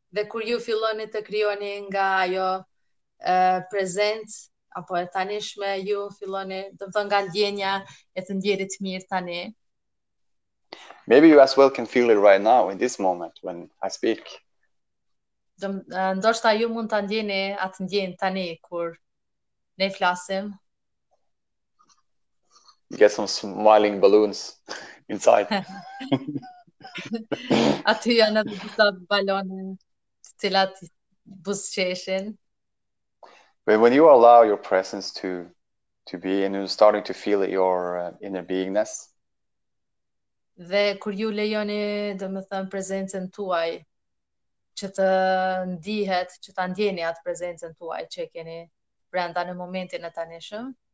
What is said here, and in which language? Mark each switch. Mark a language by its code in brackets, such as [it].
[sq] kur ju filloni të krijoni nga ajo prezencë apo e tanishme, ju filloni, do të thonë, nga ndjenja e të ndjerit mirë tani. [en] Maybe you as well can feel it right now in this moment when I speak. [sq] Ndoshta ju mund ta ndjeni atë ndjenjë tani kur ne flasim. [en] You get some smiling balloons inside. [sq] Aty janë edhe disa balone të cilat buzëqeshin. [en] When you allow your presence to be and you're starting to feel it, your inner beingness, [sq] Dhe kur ju lejoni, do më thëmë, prezencën tuaj, që të ndihet, që ta ndjeni atë prezencën tuaj që e keni brenda në momentin e tanishëm.